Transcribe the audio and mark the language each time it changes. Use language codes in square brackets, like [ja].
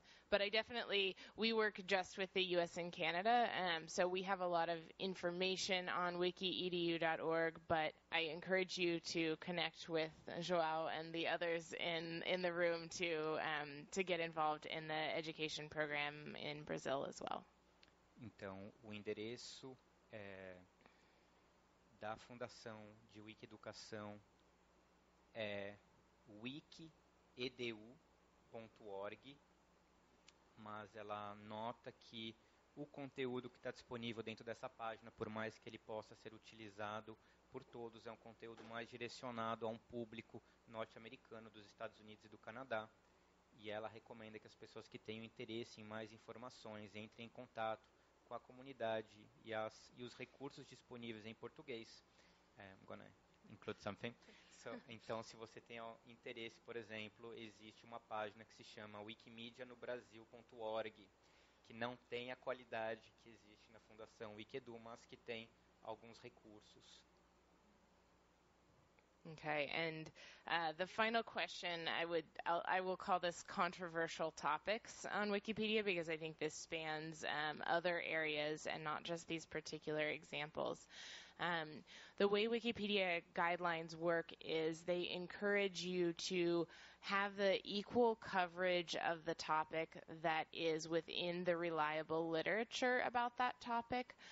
[en] But I definitely, we work just with the U.S. and Canada, so we have a lot of information on wikiedu.org, but I encourage you to connect with João and the others in the room to get involved in the education program in Brazil as well. [pt] Então, o endereço é da Fundação de Wikieducação é wikiedu.org. Mas ela nota que o conteúdo que está disponível dentro dessa página, por mais que ele possa ser utilizado por todos, é um conteúdo mais direcionado a um público norte-americano, dos Estados Unidos e do Canadá. E ela recomenda que as pessoas que tenham interesse em mais informações entrem em contato com a comunidade e os recursos disponíveis em português. [en] I'm gonna include something. [pt] Então, se você tem interesse, por exemplo, existe uma página que se chama wikimedianobrasil.org, que não tem a qualidade que existe na Fundação Wikedu, mas que tem alguns recursos. [en] Okay, and the final question, I will call this controversial topics on Wikipedia, because I think this spans other areas and not just these particular examples. The way Wikipedia guidelines work is they encourage you to have the equal coverage of the topic that is within the reliable literature about that topic.